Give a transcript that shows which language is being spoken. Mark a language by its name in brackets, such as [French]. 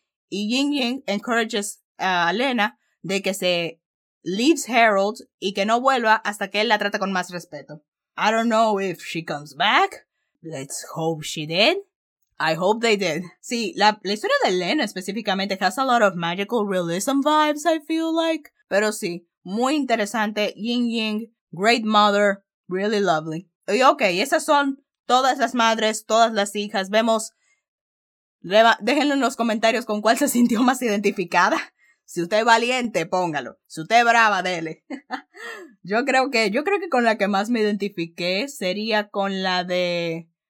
[English] Y Ying Ying encourages a Lena de que se leaves Harold [Spanish] y que no vuelva hasta que él la trata con más respeto. [English] I don't know if she comes back. Let's hope she did. I hope they did. [Spanish] Sí, la historia de Lynn específicamente [English] has a lot of magical realism vibes, I feel like. [Spanish] Pero sí, muy interesante. [English] Ying Ying, great mother, really lovely. [Spanish] Y ok, esas son todas las madres, todas las hijas. Vemos, déjenlo en los comentarios con cuál se sintió más identificada. Si usted es valiente, póngalo. Si usted es brava, dele. Yo creo que con la que más me identifiqué sería con la de...